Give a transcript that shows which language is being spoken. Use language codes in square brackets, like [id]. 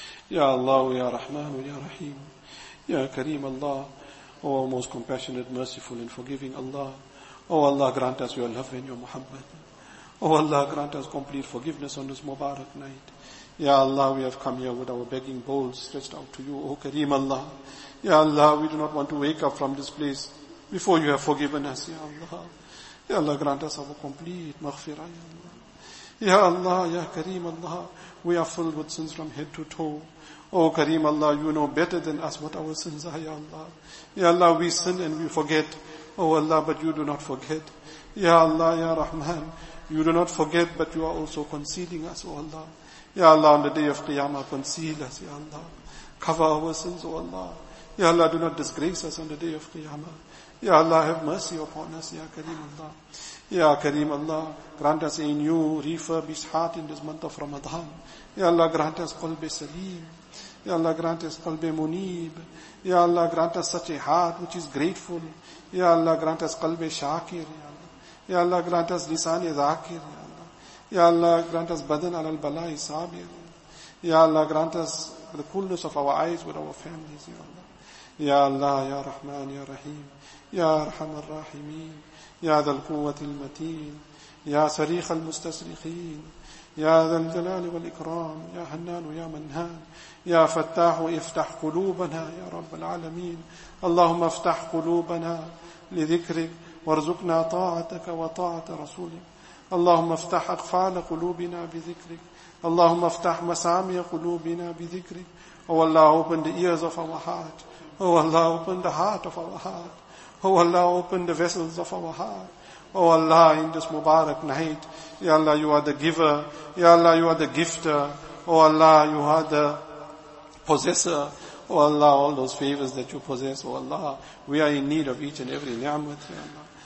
[ar] يا الله يا رحمن يا رحيم يا كريم الله [en] O most compassionate, merciful and forgiving Allah O Allah grant us your love and your muhabbat O Allah grant us complete forgiveness on this Mubarak night Ya Allah we have come here with our begging bowls stretched out to you O Kareem Allah Ya Allah we do not want to wake up from this place Before you have forgiven us, Ya Allah. Ya Allah, grant us our complete maghfirah, Ya Allah. Ya Allah, Ya Kareem Allah, we are filled with sins from head to toe. Oh Kareem Allah, you know better than us what our sins are, Ya Allah. Ya Allah, we sin and we forget. Oh Allah, but you do not forget. Ya Allah, Ya Rahman, you do not forget, but you are also concealing us, Oh Allah. Ya Allah, on the day of Qiyamah, conceal us, Ya Allah. Cover our sins, Oh Allah. Ya Allah, do not disgrace us on the day of Qiyamah. Ya Allah, have mercy upon us, Ya Kareem Allah. Ya Kareem Allah, grant us a new, refurbished heart in this month of Ramadan. Ya Allah, grant us qalb salim. Ya Allah, grant us qalb munib. Ya Allah, grant us such a heart which is grateful. Ya Allah, grant us qalb shakir, Ya Allah. Ya Allah, grant us lisan zakir, Ya Allah. Ya Allah, grant us badan alal balai sabir. Ya Allah, grant us the coolness of our eyes with our families, Ya Allah. Ya Allah, Ya Rahman, Ya Rahim. [ar] يا أرحم الراحمين يا ذا القوة المتين يا صريخ المستصرخين يا ذا الجلال والإكرام يا حنان يا منان يا فتاح افتح قلوبنا يا رب العالمين اللهم افتح قلوبنا لذكرك وارزقنا طاعتك وطاعة رسولك اللهم افتح أقفال قلوبنا بذكرك اللهم افتح مسامع قلوبنا بذكرك [en] Oh Allah, open the ears of our heart. Oh Allah, open the heart of our heart. Oh Allah, open the vessels of our heart. Oh Allah, in this Mubarak night, Ya Allah, you are the giver. Ya Allah, you are the gifter. Oh Allah, you are the possessor. Oh Allah, all those favors that you possess, oh Allah, we are in need of each and every ni'mat, ya Allah.